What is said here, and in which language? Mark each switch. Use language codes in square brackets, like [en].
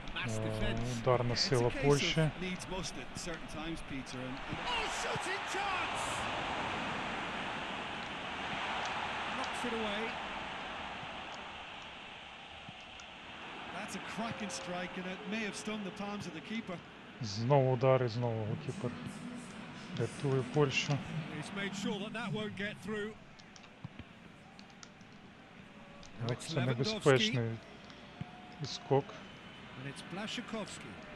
[en] mass defense. It needs most at certain times, Peter. Oh, shooting chance! Knocks it away. That's a cracking strike, and it may have stung the palms of the keeper. [uk] Знову удар і знову голкіпер. Рятує Польщу. [en] He's made sure that that won't get through. [uk] Це небезпечний іскок. [en] And it's Блешаковський.